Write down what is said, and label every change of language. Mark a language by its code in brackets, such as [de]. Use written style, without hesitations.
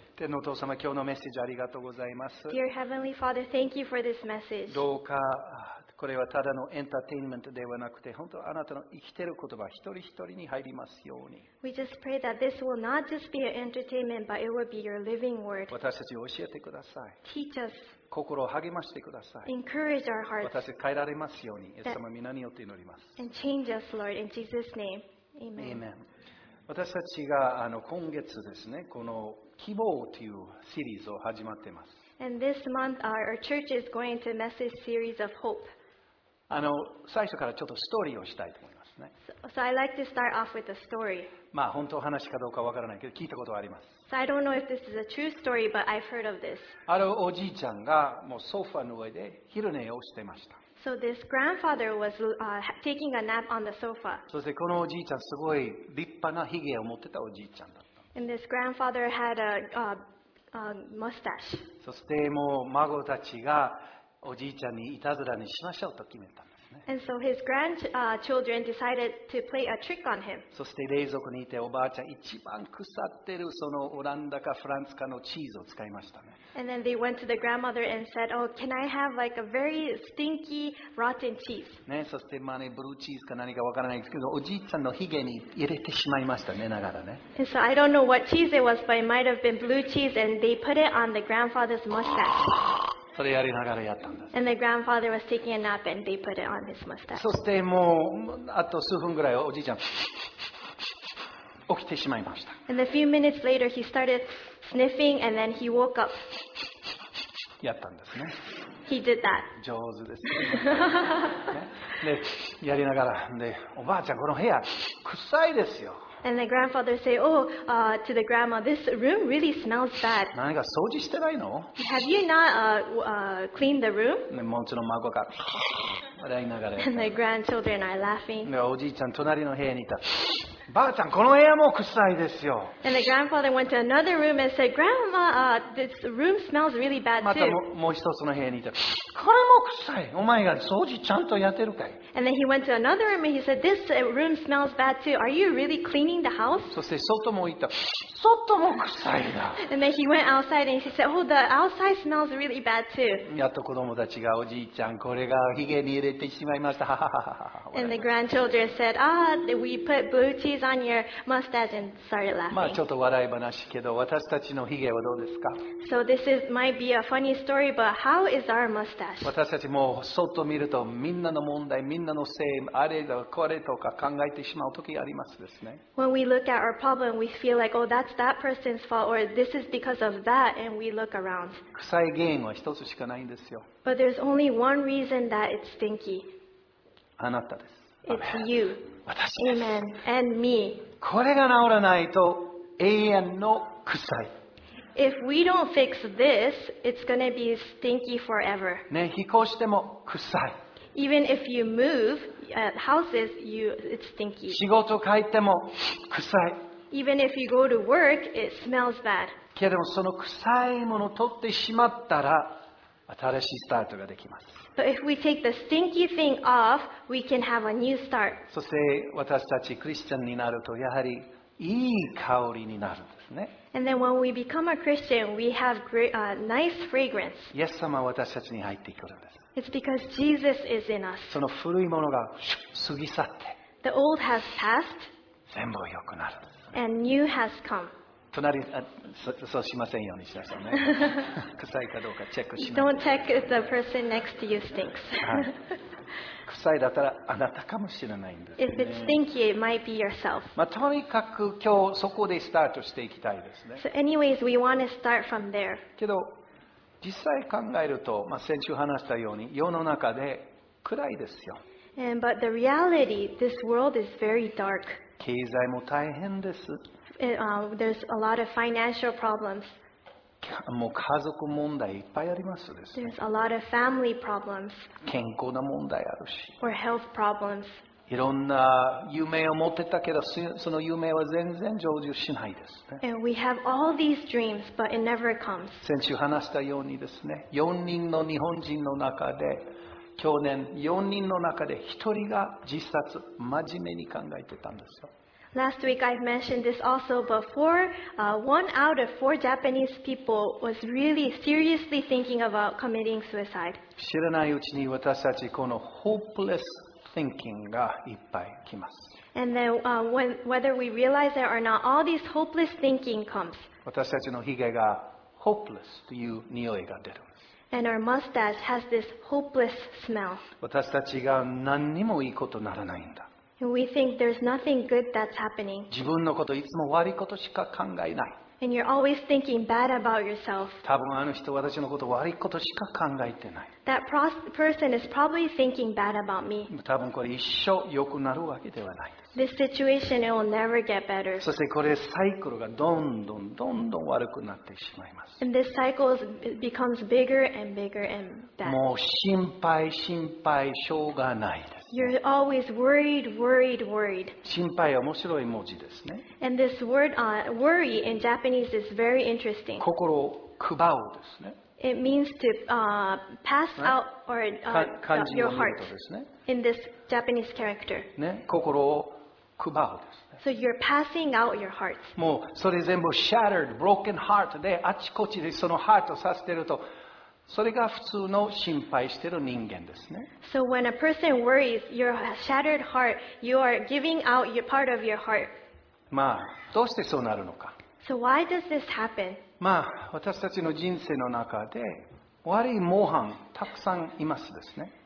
[ja] 天のお父様、今日のメッセージありがとうございます。 [en] Dear Heavenly Father, thank you for this message. [ja] どうか、これはただのエンターテインメントではなくて、本当あなたの生きている言葉、一人一人に入りますように。 [en] We just pray that this will not just be an entertainment, but it will be your living word. [ja] 私たちを教えてください。 [en] Teach us. [ja] 心を励ましてください。 [en] Encourage our hearts. [ja] 私たち変えられますように、イエス様、皆によって祈ります。 [en] And change us, Lord, in Jesus' name. Amen. Amen. [ja] 私たちが今月ですね、この希望というシリーズを始まっています。 [en] And this month our church is going to message series of hope. [ja] 最初からちょっとストーリーをしたいと思いますね。 [en] So I like to start off with a story. [ja] まあ本当話かどうかわからないけど聞いたことはあります。 [en] So I don't know if this is a true story, but I've heard of this. [ja] あるおじいちゃんがもうソファの上で昼寝をしてました。 [en] So this grandfather was taking a nap on the sofa. [ja] そしてこのおじいちゃんすごい立派なひげを持ってたおじいちゃんだ。 [en] And this grandfather had a mustache. [ja] そしてもう孫たちがおじいちゃんにいたずらにしましょうと決めたんですね。 [en] And so his grandchildren decided to play a trick on him. [ja] そして冷蔵庫にいておばあちゃん一番腐ってるそのオランダかフランスかのチーズを使いましたね。 [en] And then they went to the grandmother and said, "Oh, can I have like a very stinky rotten cheese?" [ja] ね、そしてまあね、ブルーチーズか何かわからないですけど、おじいちゃんのひげに入れてしまいましたね、ながらね。 [en] And so I don't know what cheese it was, but it might have been blue cheese, and they put it on the grandfather's mustache. [ja] それやりながらやったんです。 [en] And the grandfather was taking a nap, and they put it on his mustache. [ja] そしてもうあと数分ぐらいおじいちゃん起きてしまいました。 [en] And a few minutes later, he started. Sniffing and then he woke up. [ja] やったんですね。 [en] He did that. [ja] 上手ですね。ね、で、やりながら、で、おばあちゃんこの部屋臭いですよ。 [en] And the grandfather said, "Oh, to the grandma, this room really smells bad." [ja] 何か掃除してないの [en] ？Have you not cleaned the room? [ja] ね、もちろん孫が笑いながら。 [en] And the grandchildren are laughing. [ja] で、おじいちゃん隣の部屋にいた。ばあちゃん、この部屋も臭いですよ。 [en] And the grandfather went to another room and said, Grandma, this room smells really bad too. [ja] またもう一つの部屋にいた。これも臭い。お前が掃除ちゃんとやってるかい。 [en] And then he went to another room and he said, This room smells bad too. Are you really cleaning the house? [ja] そして外も行った。外も臭いな。 [en] And then he went outside and he said, Oh, the outside smells really bad too. [ja] やっと子供たちが、おじいちゃん、これがひげに入れてしまいました。 [en] And the grandchildren said, Ah, we put blue cheese on your mustache and started laughing. [ja] まあちょっと笑い話けど、私たちのひげはどうですか? [en] So this might be a funny story, but how is our mustache? [ja] 私たちも外見るとみんなの問題、みんなのせい、あれだこれとか考えてしまう時ありますですね。 [en] When we look at our problem, we feel like, oh, that's that person's fault, or this is because of that, and we look around. [ja] 臭い原因は一つしかないんですよ。 [en] But there's only one reason that it's stinky. [ja] あなたです。 [en] It's you. [ja] 私です。 [en] Amen. And me. [ja] これが治らないと永遠の臭い。 [en] If we don't fix this, it's going to be stinky forever. [ja] ね、引っ越しても臭い。 [en] Even if you move houses, it's stinky. [ja] 仕事帰っても臭い。 [en] Even if you go to work, it smells bad. [ja] けどその臭いものを取ってしまったら新しいスタートができます。 [en] But if we take the stinky thing off, we can have a new start. [ja] そして私たちクリスチャンになるとやはりいい香りになるんですね。 [en] And then when we become a Christian, we have great, nice fragrance. [ja] イエス様は私たちに入ってくるんです。 [en] It's because Jesus is in us. [ja] その古いものが過ぎ去って、 [en] The old has passed. [ja] 全部良くなるんです。 [en] And new has come. [ja] 隣、そうしませんようにしなさいね。臭いかどうかチェックします。 [en] Don't check if the person next to you stinks. [ja] 臭いだったらあなたかもしれないんですね。 [en] If it's stinky, it might be yourself. [ja] まあ、とにかく今日そこでスタートしていきたいですね。 [en] So anyways, we want to start from there. [ja] けど実際考えると、まあ、先週話したように世の中で暗いですよ。 [en] And, but the reality, this world is very dark. [ja] 経済も大変です。 [en] There's a lot of financial problems. [ja] もう家族問題いっぱいありますですね。 [en] There's a lot of family problems. [ja] 健康な問題あるし。 [en] Or health problems. [ja] いろんな夢を持ってたけど、その夢は全然成就しないですね。 [en] And we have all these dreams, but it never comes. [ja] 先週話したようにですね、4人の日本人の中で、去年4人の中で1人が自殺、真面目に考えてたんですよ。 [en] Last week I've mentioned this also, but one out of four Japanese people was really seriously thinking about committing suicide. [ja] 知らないうちに私たちこの [en] hopeless thinking [ja] がいっぱい来ます。 [en] And then, whether we realize it or not, all these hopeless thinking comes. [ja] 私たちのひげが hopeless という匂いが出るんです。 [en] And our mustache has this hopeless smell. [ja] 私たちが何にもいいことならないんだ。 [en] We think there's nothing good that's happening. [ja] 自分のこといつも悪いことしか考えない。 [en] And you're always thinking bad about yourself. [ja] 多分あの人私のこと悪いことしか考えてない。 [en] That person is probably thinking bad about me. [ja] 多分これ一生良くなるわけではない。 [en] This situation it will never get better. [ja] そしてこれサイクルがどんどんどんどん悪くなってしまいます。 [en] And this cycle becomes bigger and bigger and bad. [ja] もう心配心配しょうがないです。 [en] You're always worried, worried, worried. [ja] 心配は面白い文字ですね。 [en] And this word, worry in Japanese is very interesting. [ja] 心を配うですね。 [en] It means to, pass out or, your heart in this Japanese character. [ja] ね、心を配うですね。 [en] So you're passing out your heart. [ja] もうそれ全部 [en] shattered, broken heart [ja] で、あちこちでそのハートさせてると、それが普通の心配してる人間ですね。 [en] So when a person worries, your shattered heart, you are giving out your part of your heart. [ja] まあ、どうしてそうなるのか。 [en] So why does this happen? [ja] まあ、私たちの人生の中で悪い模範たくさんいますですね。